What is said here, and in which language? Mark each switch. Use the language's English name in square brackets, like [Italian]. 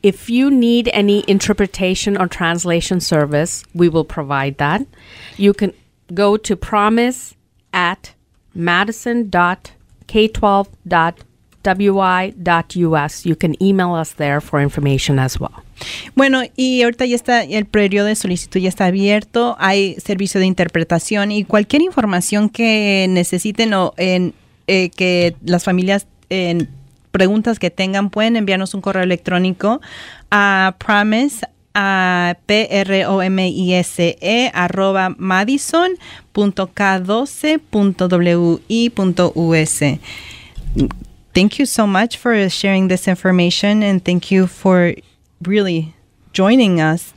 [English] If you need any interpretation or translation service, we will provide that. You can go to promise@k12.wy.us. You can email us there for information as well. [Spanish] Bueno, y ahorita ya está, el periodo de solicitud ya está abierto. Hay servicio de interpretación y cualquier información que necesiten o que las familias en preguntas que tengan, pueden enviarnos un correo electrónico a promise@madison.k12.wi.us. [English] Thank you so much for sharing this information and thank you for really joining us.